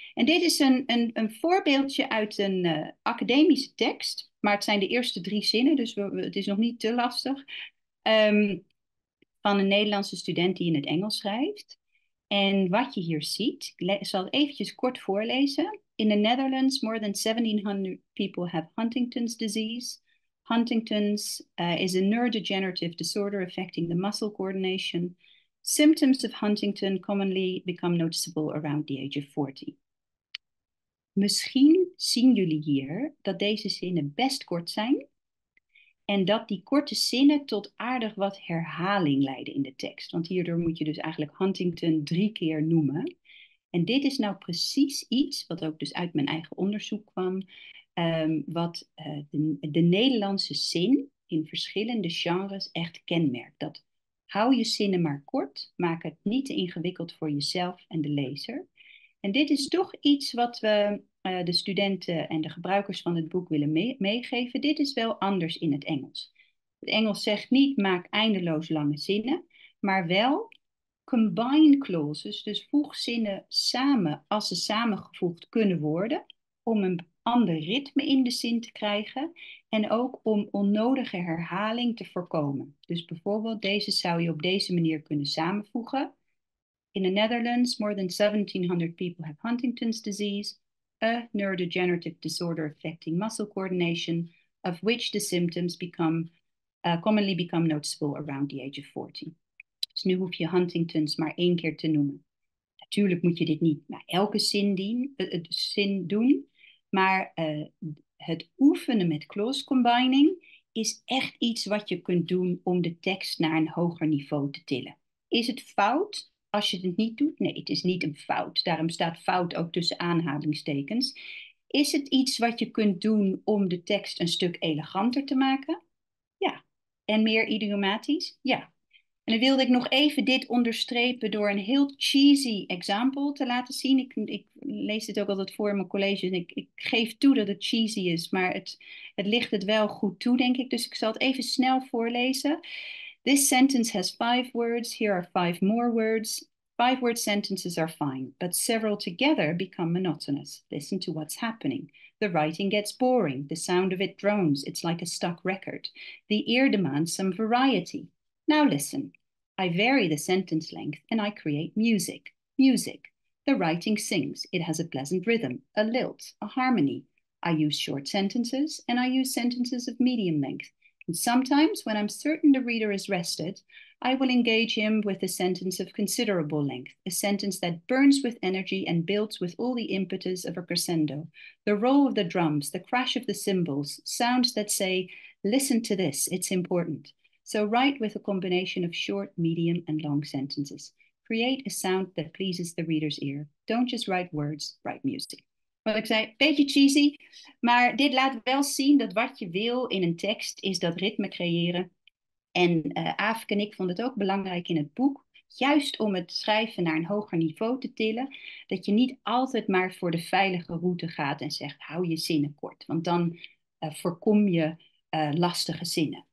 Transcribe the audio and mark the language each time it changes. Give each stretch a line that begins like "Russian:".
Dutch: En dit is een voorbeeldje uit een academische tekst, maar het zijn de eerste drie zinnen, dus het is nog niet te lastig. Van een Nederlandse student die in het Engels schrijft. En wat je hier ziet, ik zal het eventjes kort voorlezen.
English: In the Netherlands, more than 1700 people have Huntington's disease. Huntington's is a neurodegenerative disorder affecting the muscle coordination. Symptoms of Huntington commonly become noticeable around the age of 40.
Dutch: Misschien zien jullie hier dat deze zinnen best kort zijn. En dat die korte zinnen tot aardig wat herhaling leiden in de tekst. Want hierdoor moet je dus eigenlijk Huntington drie keer noemen. En dit is nou precies iets, wat ook dus uit mijn eigen onderzoek kwam, wat de Nederlandse zin in verschillende genres echt kenmerkt. Dat hou je zinnen maar kort, maak het niet te ingewikkeld voor jezelf en de lezer. En dit is toch iets wat we de studenten en de gebruikers van het boek willen meegeven. Dit is wel anders in het Engels. Het Engels zegt niet maak eindeloos lange zinnen, maar wel
English: combine clauses,
Dutch: dus voeg zinnen samen als ze samengevoegd kunnen worden, om een ander ritme in de zin te krijgen en ook om onnodige herhaling te voorkomen. Dus bijvoorbeeld deze zou je op deze manier kunnen samenvoegen. In the Netherlands, more than 1700 people have Huntington's disease, a neurodegenerative disorder affecting muscle coordination, of which the symptoms commonly become noticeable around the age of 40. Dus nu hoef je Huntington's maar één keer te noemen. Natuurlijk moet je dit niet naar elke zin doen, maar het oefenen met clause combining is echt iets wat je kunt doen om de tekst naar een hoger niveau te tillen. Is het fout als je het niet doet? Nee, het is niet een fout. Daarom staat fout ook tussen aanhalingstekens. Is het iets wat je kunt doen om de tekst een stuk eleganter te maken? Ja. En meer idiomatisch? Ja. En dan wilde ik nog even dit onderstrepen door een heel
English: cheesy example
Dutch: te laten zien. Ik lees dit ook altijd voor in mijn college. En ik geef toe dat het cheesy is, maar het ligt het wel goed toe, denk ik. Dus ik zal het even snel voorlezen.
English: This sentence has five words. Here are five more words. Five word sentences are fine, but several together become monotonous. Listen to what's happening. The writing gets boring. The sound of it drones. It's like a stuck record. The ear demands some variety. Now listen. I vary the sentence length and I create music. Music. The writing sings. It has a pleasant rhythm, a lilt, a harmony. I use short sentences and I use sentences of medium length. And sometimes, when I'm certain the reader is rested, I will engage him with a sentence of considerable length, a sentence that burns with energy and builds with all the impetus of a crescendo. The roll of the drums, the crash of the cymbals, sounds that say, listen to this, it's important. So write with a combination of short, medium, and long sentences. Create a sound that pleases the reader's ear. Don't just write words, write music.
Dutch: Wat ik zei, beetje cheesy, maar dit laat wel zien dat wat je wil in een tekst is dat ritme creëren. En Aafke en ik vonden het ook belangrijk in het boek, juist om het schrijven naar een hoger niveau te tillen, dat je niet altijd maar voor de veilige route gaat en zegt, hou je zinnen kort, want dan voorkom je lastige zinnen.